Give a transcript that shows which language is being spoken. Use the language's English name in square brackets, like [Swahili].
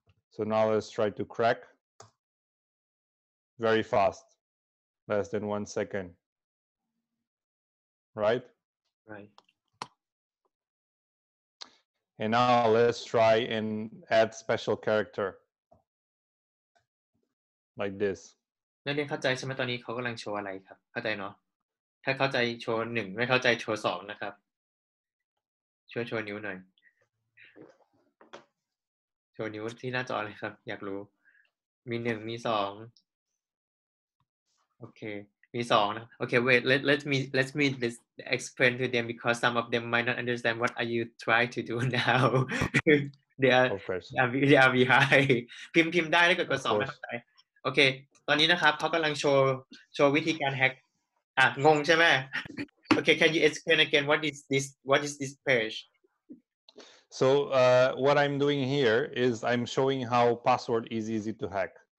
[English] So now let's try to crack very fast. Less than 1 second, right? Right. And now let's try and add special character, like this. [Thai] นักเรียนเข้าใจใช่ไหมตอนนี้เขากำลังโชว์อะไรครับเข้าใจเนาะถ้าเข้าใจโชว์หนึ่งไม่เข้าใจโชว์สองนะครับช่วยโชว์นิ้วหน่อยโชว์นิ้วที่หน้าจอเลยครับอยากรู้มีหนึ่งมีสองOkay, มีสองนะ [English] Okay, wait, let me this explain to them because some of them might not understand what are you trying to do now. they are behind. [Thai] พิมพ์ได้ถ้าเกิดกดสองไม่เข้าใจ Okay, ตอนนี้นะครับเขากำลังโชว์วิธีการแฮกอ่ะงงใช่ไหม [English] Okay, can you explain again what is this page? So what I'm doing here is I'm showing how password is easy to hack.